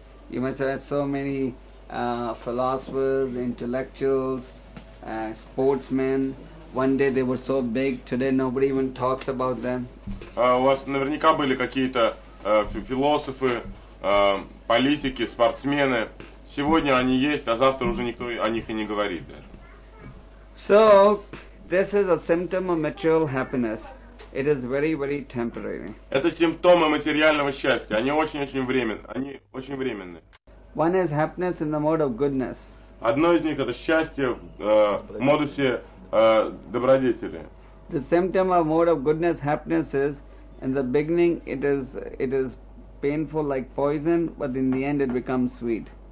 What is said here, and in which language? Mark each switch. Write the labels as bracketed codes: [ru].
[en] You must have had so many philosophers, intellectuals, sportsmen. One day they were so big, today nobody even talks about them. [ru] У вас наверняка были какие-то философы, политики, спортсмены. Сегодня они есть, а завтра уже никто о них и не говорит даже. [en] So, this is a symptom of material happiness. It is very, very temporary. [ru] Это симптомы материального счастья. Они очень-очень временные. [en] One is happiness in the mode of goodness. [ru] Одно из них — это счастье в модусе добродетели. [en] The symptom of mode of goodness happiness is, in the beginning it is painful like poison, but in the end it becomes sweet.